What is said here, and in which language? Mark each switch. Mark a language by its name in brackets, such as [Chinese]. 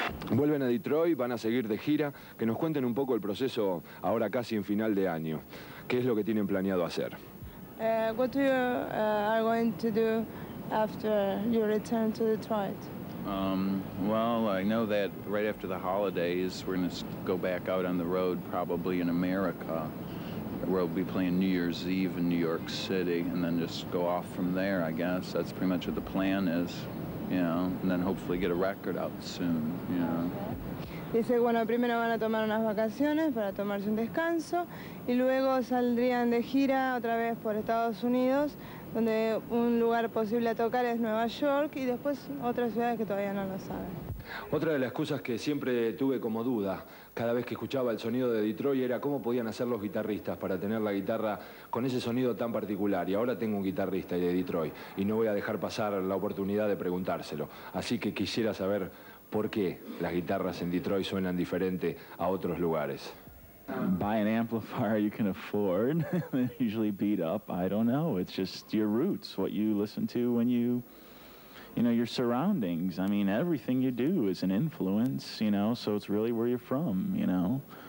[Spanish] Vuelven a Detroit, van a seguir de gira. Que nos cuenten un poco el proceso ahora casi en final de año. ¿Qué es lo que tienen planeado hacer? [English] What do you are going to do after you return to Detroit? Well, I know that right after the holidays we're going to go back out on the road, probably in America. We'll be playing New Year's Eve in New York City, and then just go off from there. I guess that's pretty much what the plan is. You know, and then hopefully get a record out soon, you know. [Spanish] Dice, bueno, primero van a tomar unas vacaciones para tomarse un descanso y luego saldrían de gira otra vez por Estados Unidos, donde un lugar posible a tocar es Nueva York y después otras ciudades que todavía no lo saben. Otra de las cosas que siempre tuve como duda cada vez que escuchaba el sonido de Detroit era cómo podían hacer los guitarristas para tener la guitarra con ese sonido tan particular. Y ahora tengo un guitarrista de Detroit y no voy a dejar pasar la oportunidad de preguntárselo. Así que quisiera saber por qué las guitarras en Detroit suenan diferente a otros lugares. [English] Buy an amplifier you can afford, usually beat up. I don't know. It's just your roots, what you listen to when you... You know, your surroundings, I mean, everything you do is an influence, you know, so it's really where you're from, you know.